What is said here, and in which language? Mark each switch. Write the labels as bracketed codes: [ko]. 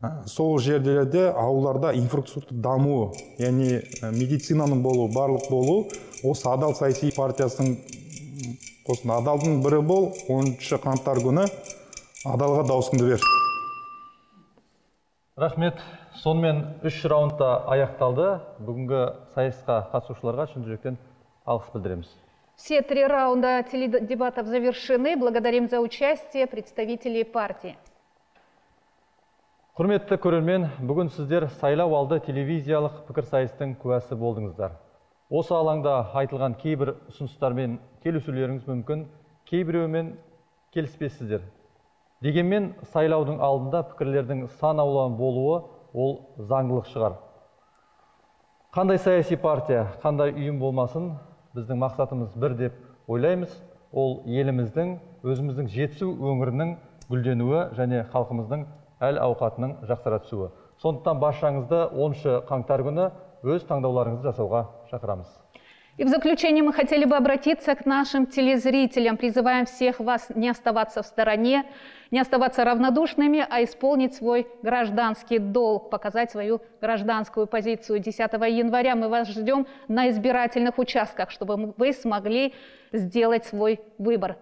[kk] Сол жерлерде ауылдарда инфраструктура дамуы, яғни медицинаның болуы, барлық болуы осы Адал саяси партиясының осында Адалдың бірі бол, 10 қаңтар күні Адалға дауысыңды бер. Рахмет. Сонымен 3 раундта аяқталды. Бүгінгі сайысқа қатысушыларға шын жүректен алғыс білдіреміз. [ru] Все 3 раунда теледебатов завершены. Благодарим за участие представителей партии. [kk] Құрметті көрермен, бүгін сіздер сайлау алды телевизиялық пікірсайыстың куәсі болдыңыздар. Осы алаңда айтылған кейбір ұсыныстармен келісулеріңіз мүмкін, кейбіреуімен келіспесіздер. Дегенмен, сайлаудың алдында пікірлердің сан алуан болуы ол заңдылық шығар. Қандай саяси партия, қандай ұйым болмасын, біздің мақсатымыз бір деп ойлаймыз, ол еліміздің, өзіміздің жетісу өңірінің гүлденуі және халқымыздың әл ауқатының жақсара түсуі. Сондықтан баршаңызды 10 қаңтар күні өз таңдауларыңызды жасауға шақырамыз. [ru] И в заключение мы хотели бы обратиться к нашим телезрителям. Призываем всех вас не оставаться в стороне, не оставаться равнодушными, а исполнить свой гражданский долг, показать свою гражданскую позицию. 10 января мы вас ждем на избирательных участках, чтобы вы смогли сделать свой выбор.